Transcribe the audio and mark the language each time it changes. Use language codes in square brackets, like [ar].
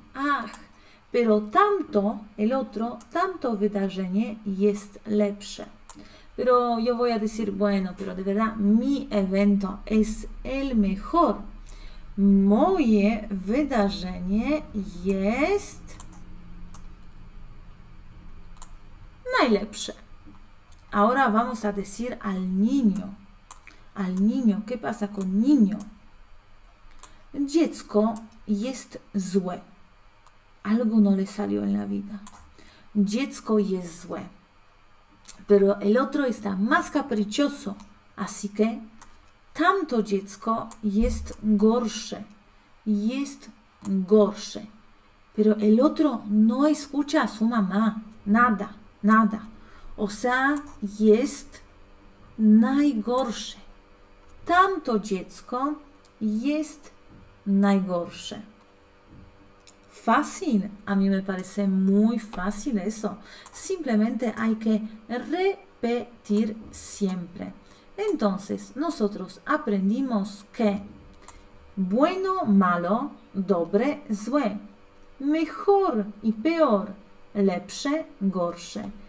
[pl] Ah, pero tamto, [es] el otro, [pl] tamto wydarzenie jest lepsze. [es] Pero yo voy a decir, bueno, pero de verdad, mi evento es el mejor. [pl] Moje wydarzenie jest najlepsze. [es] Ahora vamos a decir al niño. Al niño, ¿qué pasa con niño? [pl] Dziecko jest złe. [es] Algo no le salió en la vida. [pl] Dziecko jest złe. [es] Pero el otro está más caprichoso, así que [pl] tamto dziecko jest gorsze, jest gorsze. [es] Pero el otro no escucha a su mamá, nada, nada. O sea, [pl] jest najgorsze. Tamto dziecko jest najgorsze. [es] Fácil, a mí me parece muy fácil eso. Simplemente hay que repetir siempre. Entonces, nosotros aprendimos que bueno, malo, [pl] dobre, złe, [es] mejor y peor, [pl] lepsze, gorsze.